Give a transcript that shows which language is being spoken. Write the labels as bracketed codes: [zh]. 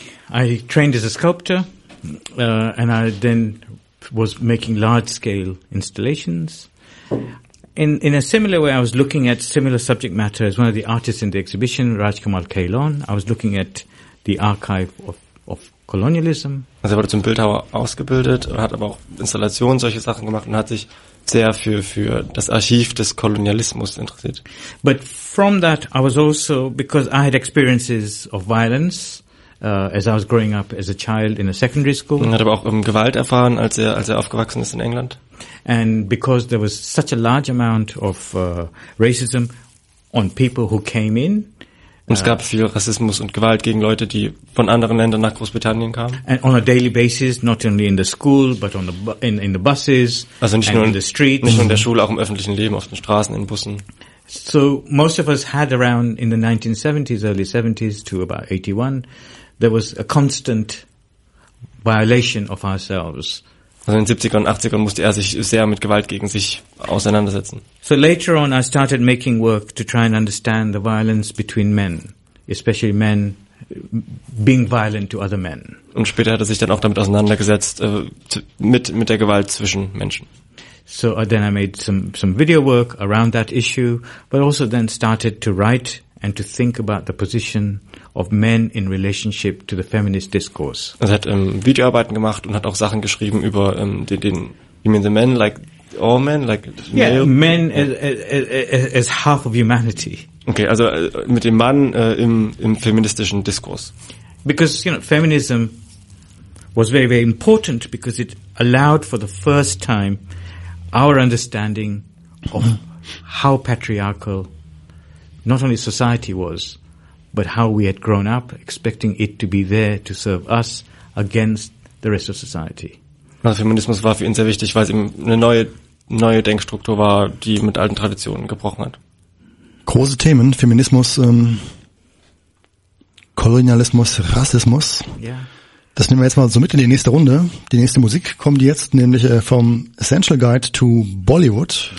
[en] I trained as a sculptor and I then was making large-scale installations. In a similar way, I was looking at similar subject matter as one of the artists in the exhibition, Rajkumar Kailon. I was looking at the archive of colonialism. [de] Also er wurde zum Bildhauer ausgebildet, hat aber auch Installationen, solche Sachen gemacht und hat sich sehr für das Archiv des Kolonialismus interessiert. [en] But from that, I was also, because I had experiences of violence, as I was growing up as a child in a secondary school. [de] Er hat aber auch Gewalt erfahren, als er aufgewachsen ist in England. [en] And because there was such a large amount of racism on people who came in. [de] Und es gab viel Rassismus und Gewalt gegen Leute, die von anderen Ländern nach Großbritannien kamen. [en] And on a daily basis, not only in the school, but on the in the buses. [de] Also nicht nur [en] in the streets. [de] Nicht nur in der Schule, auch im öffentlichen Leben, auf den Straßen, in Bussen. [en] So most of us had around in the 1970s, early 70s to about 81, there was a constant violation of ourselves. [de] Also in den 70er und 80er musste er sich sehr mit Gewalt gegen sich auseinandersetzen. [en] So later on I started making work to try and understand the violence between men, especially men being violent to other men. [de] Und später hat er sich dann auch damit auseinandergesetzt, mit der Gewalt zwischen Menschen. [en] So then I made some video work around that issue, but also then started to write and to think about the position of men in relationship to the feminist discourse. [de] Er hat Videoarbeiten gemacht und hat auch Sachen geschrieben über den [en] Women the Men, like all men, like yeah, male? Men as half of humanity. [de] Okay, also mit dem Mann im feministischen Diskurs. [en] Because, you know, feminism was very, very important because it allowed for the first time our understanding of how patriarchal not only society was, but how we had grown up expecting it to be there to serve us against the rest of society. [de] Also Feminismus war für ihn sehr wichtig, weil es eben eine neue Denkstruktur war, die mit alten Traditionen gebrochen hat. Große Themen, Feminismus, Kolonialismus, Rassismus. [en] Yeah. [de] Das nehmen wir jetzt mal so mit in die nächste Runde. Die nächste Musik kommt jetzt, nämlich vom Essential Guide to Bollywood.